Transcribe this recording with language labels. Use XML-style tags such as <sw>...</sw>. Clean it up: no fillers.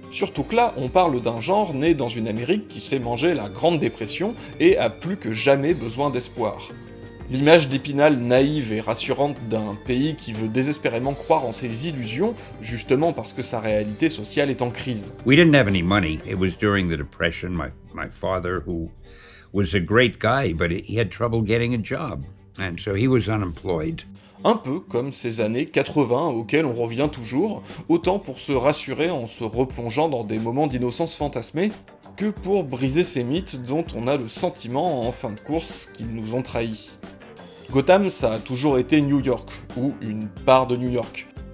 <fr>Surtout que là, on parle d'un genre né dans une Amérique qui s'est mangé la Grande Dépression et a plus que jamais besoin d'espoir. L'image d'Épinal naïve et rassurante d'un pays qui veut désespérément croire en ses illusions, justement parce que sa réalité sociale est en crise.</fr> <en>We didn't have any money. It was during the depression. My father, who was a great guy, but he had trouble getting a job, and so he was unemployed.</en> <fr>Un peu comme ces années 80 auxquelles on revient toujours, autant pour se rassurer en se replongeant dans des moments d'innocence fantasmée, que pour briser ces mythes dont on a le sentiment, en fin de course, qu'ils nous ont trahis. Gotham, ça a toujours été New York, ou une part de New York.</fr>